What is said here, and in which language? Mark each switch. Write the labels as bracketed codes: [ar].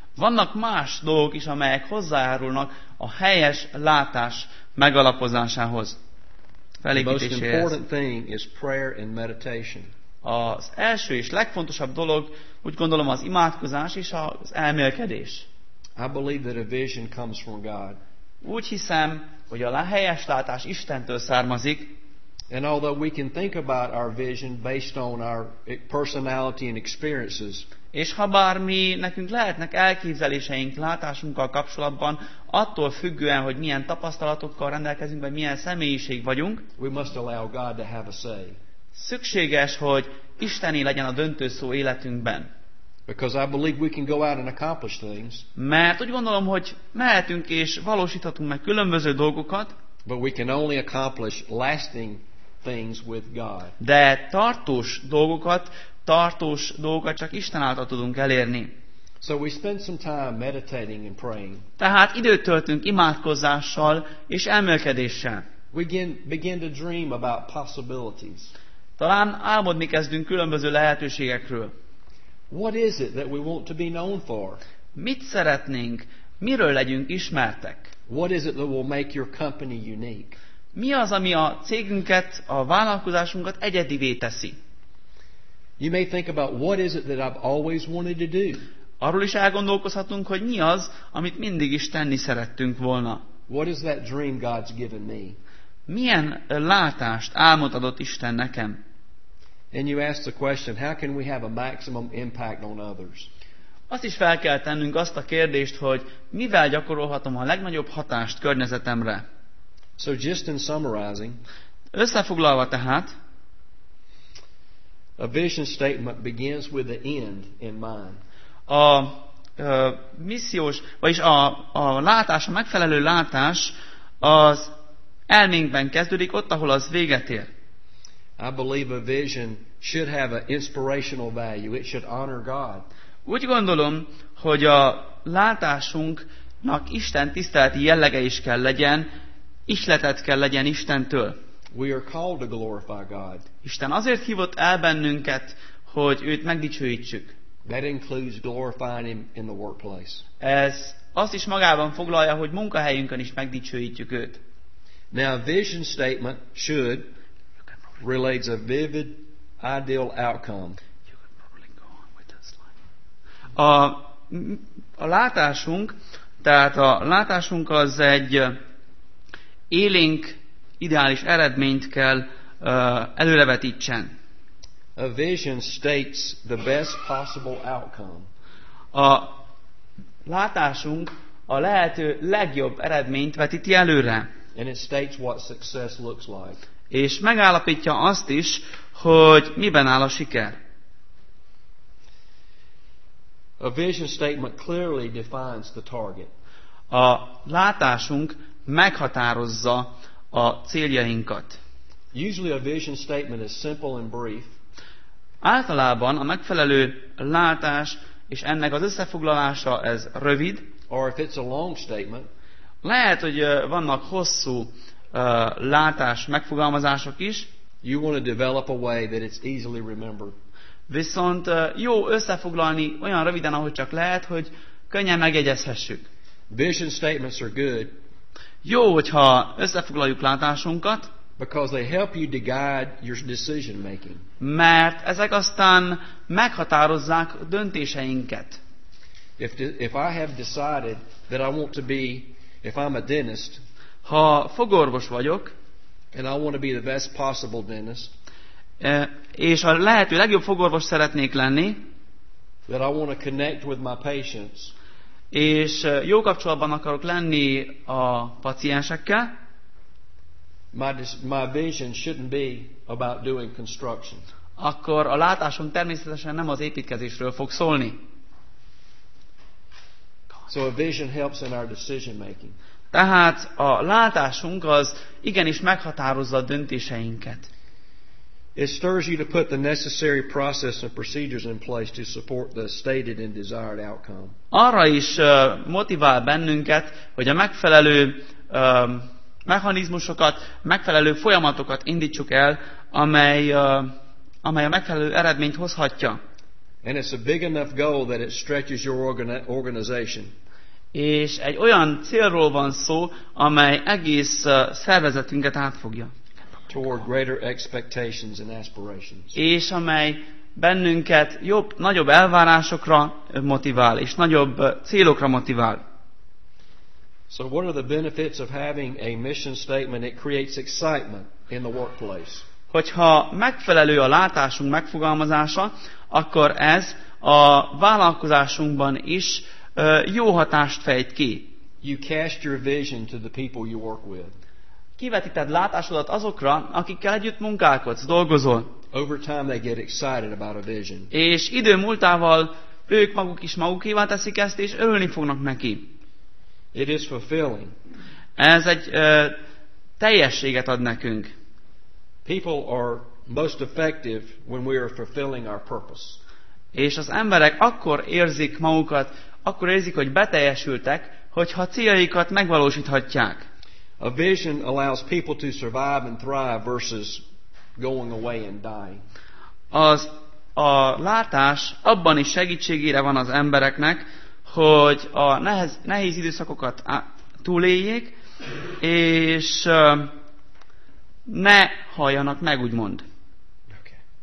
[hu] Vannak más dolgok is, amelyek hozzájárulnak a helyes látás megalapozásához, felépítéséhez. [en] The most important thing is prayer and meditation. [hu] Az első és legfontosabb dolog, úgy gondolom, az imádkozás és az elmélkedés. [en] I believe that a vision comes from God. [hu] Úgy hiszem, hogy a helyes látás Istentől származik. [en] And although we can think about our vision based on our personality and experiences, [hu] és ha bár mi, nekünk lehetnek elképzeléseink látásunkkal kapcsolatban, attól függően, hogy milyen tapasztalatokkal rendelkezünk, vagy milyen személyiség vagyunk, [en] we must allow God to have a say. [hu] Szükséges, hogy Istené legyen a döntő szó életünkben. [en] Because I believe we can go out and accomplish things. [hu] Mert úgy gondolom, hogy mehetünk és valósíthatunk meg különböző dolgokat, [en] but we can only accomplish lasting things with God. [hu] De tartós dolgokat csak Isten által tudunk elérni. [en] So we spend some time meditating and praying. [hu] Tehát időt töltünk imádkozással és elmélkedéssel. [en] We begin to dream about possibilities. [hu] Talán álmodni kezdünk különböző lehetőségekről. [en] What is it that we want to be known for? [hu] Mit szeretnénk? Miről legyünk ismertek? [en] What is it that will make your company unique? [hu] Mi az, ami a cégünket, a vállalkozásunkat egyedivé teszi? [en] You may think about what is it that I've always wanted to do. [hu] Arról is elgondolkozhatunk, hogy mi az, amit mindig is tenni szerettünk volna. [en] What is that dream God's given me? [hu] Milyen látást, álmot adott Isten nekem? [en] And you ask the question, how can we have a maximum impact on others? [hu] Azt is fel kell tennünk azt a kérdést, hogy mivel gyakorolhatom a legnagyobb hatást környezetemre. [en] So just in summarizing, [hu] összefoglalva tehát, [en] a vision statement begins with the end in mind. [hu] A missziós, vagyis a látás, a megfelelő látás az elménkben kezdődik, ott, ahol az véget ér. [en] I believe a vision should have an inspirational value. It should honor God. [hu] Úgy gondolom, hogy a látásunknak Isten tiszteleti jellege is kell legyen, ihletet kell legyen Istentől. [en] We are called to glorify God. [hu] Isten azért hívott el bennünket, hogy őt megdicsőítsük. [en] That includes glorifying him in the workplace. [hu] Ez azt is magában foglalja, hogy munkahelyünkön is megdicsőítjük őt. [en] Now a vision statement should relates a vivid ideal outcome. You could probably go on with this slide. [hu] A látásunk, tehát a látásunk az egy élénk ideális eredményt kell előrevetítsen. [en] A vision states the best possible outcome. [hu] A látásunk a lehető legjobb eredményt vetíti előre. [en] And it states what success looks like. [hu] És megállapítja azt is, hogy miben áll a siker. [en] A vision statement clearly defines the target. [hu] A látásunk meghatározza a céljainkat. [en] Usually a vision statement is simple and brief. [hu] Általában a megfelelő látás és ennek az összefoglalása ez rövid. [en] Or if it's a long statement, [hu] lehet, hogy vannak hosszú látás megfogalmazások is. [en] You want to develop a way that it's easily remembered. [hu] Viszont jó összefoglalni olyan röviden, ahogy csak lehet, hogy könnyen megjegyezhessük. [en] Vision statements are good. [hu] Jó, hogyha összefoglaljuk látásunkat. [en] Because they help you to guide your decision making. [hu] Mert ezek aztán meghatározzák döntéseinket. [en] If I have decided that I want to be, if I'm a dentist, [hu] ha fogorvos vagyok, [en] and I want to be the best possible dentist, [hu] és a lehető legjobb fogorvos szeretnék lenni, [en] that I want to connect with my patients, [hu] és jó kapcsolatban akarok lenni a paciensekkel. [en] My vision shouldn't be about doing construction. [hu] Akkor a látásom természetesen nem az építkezésről fog szólni. [en] So a vision helps in our decision making. [hu] Tehát a látásunk az igenis meghatározza a döntéseinket. [en] It stirs you to put the necessary process and procedures in place to support the stated and desired outcome. [hu] Arra is motivál bennünket, hogy a megfelelő mechanizmusokat, megfelelő folyamatokat indítsuk el, amely a megfelelő eredményt hozhatja. [en] And it's a big enough goal that it stretches your organization. [hu] És egy olyan célról van szó, amely egész szervezetünket átfogja. [en] Toward greater expectations and aspirations. [hu] És amely bennünket jobb, nagyobb elvárásokra motivál, és nagyobb célokra motivál. [en] So what are the benefits of having a mission statement? It creates excitement in the workplace. [hu] Hogyha megfelelő a látásunk megfogalmazása, akkor ez a vállalkozásunkban is jó hatást fejt ki. [en] You cast your vision to the people you work with. [hu] Kivetíted látásodat azokra, akikkel együtt munkálkodsz, dolgozol. [en] Over time they get excited about a vision. [hu] És idő múltával ők maguk is magukévá teszik ezt, és örülni fognak neki. [en] It is fulfilling. [hu] Ez egy teljességet ad nekünk. [en] People are most effective when we are fulfilling our purpose. [hu] És az emberek akkor érzik magukat, akkor érzik, hogy beteljesültek, hogyha céljaikat megvalósíthatják. [en] A vision allows people to survive and thrive versus going away and dying. [hu] A látás abban is segítségére van az embereknek, hogy a nehéz időszakokat túléljék, és ne halljanak meg, úgymond. [en] Okay.